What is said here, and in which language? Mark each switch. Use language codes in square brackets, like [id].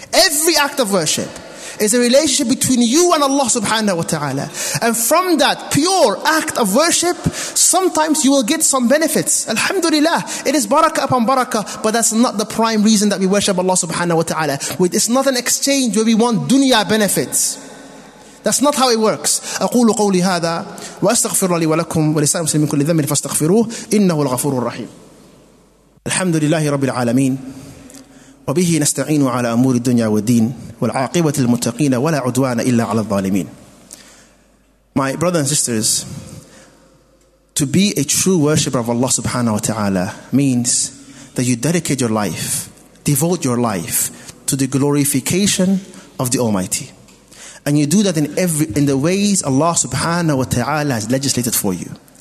[en] Every act of worship is a relationship between you and Allah subhanahu wa ta'ala. And from that pure act of worship, sometimes you will get some benefits. Alhamdulillah, it is barakah upon barakah, but that's not the prime reason that we worship Allah subhanahu wa ta'ala. It's not an exchange where we want dunya benefits. That's not how it works. [ar] أقول قولي هذا وأستغفر لي ولكم ولسائر المسلمين من كل ذنب فاستغفروه إنه الغفور الرحيم. الحمد لله رب العالمين وبه نستعين على أمور الدنيا والدين والعاقبة للمتقين ولا عدوان إلا على الظالمين. [en] My brothers and sisters, to be a true worshipper of Allah subhanahu wa ta'ala means that you dedicate your life, devote your life to the glorification of the Almighty. And you do that in the ways Allah subhanahu wa ta'ala has legislated for you.